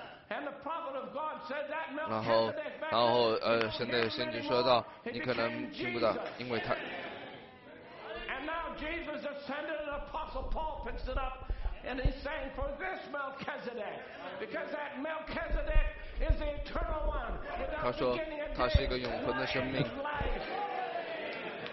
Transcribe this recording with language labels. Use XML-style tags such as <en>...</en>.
<en>And the prophet of God said, "That Melchizedek."</en> <zh>然后，神的先知说道，你可能听不到，因为他。</zh> <en>And now Jesus ascended, and Apostle Paul picks it up, and he's saying, "For this Melchizedek, because that Melchizedek is the eternal one, without beginning and end, the light of life."</en>